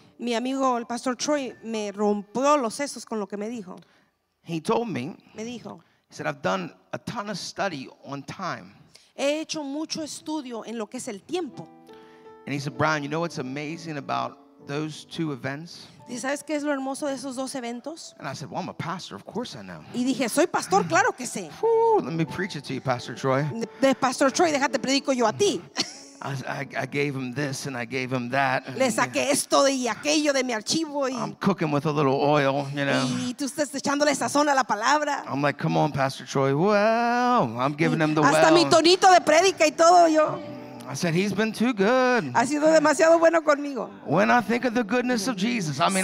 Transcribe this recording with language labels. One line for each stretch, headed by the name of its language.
Spanish: Mi amigo el Pastor Troy me rompió los sesos con lo que me dijo.
English: He told me.
Spanish: Me dijo.
English: He said, I've done a ton of study on time.
Spanish: He hecho mucho estudio en lo que es el tiempo.
English: And he said, Brian, you know what's amazing about those two events?
Spanish: ¿Y sabes qué es lo hermoso de esos dos eventos?
English: And I said, well, I'm a pastor, of course I know.
Spanish: Y dije, soy pastor, claro que sé.
English: Let me preach it to you, Pastor Troy.
Spanish: De Pastor Troy, déjate predico yo a ti.
English: I gave him this and I gave him that.
Spanish: Le saqué esto y aquello de mi archivo.
English: I'm cooking with a little oil, you know.
Spanish: Y tú estás echándole sazón a la palabra.
English: I'm like, come on, Pastor Troy. Well, I'm giving him the
Spanish: hasta
English: well.
Spanish: Hasta mi tonito de predica y todo yo.
English: I said, he's been too good.
Spanish: Ha sido demasiado bueno conmigo.
English: When I think of the goodness of Jesus, I mean,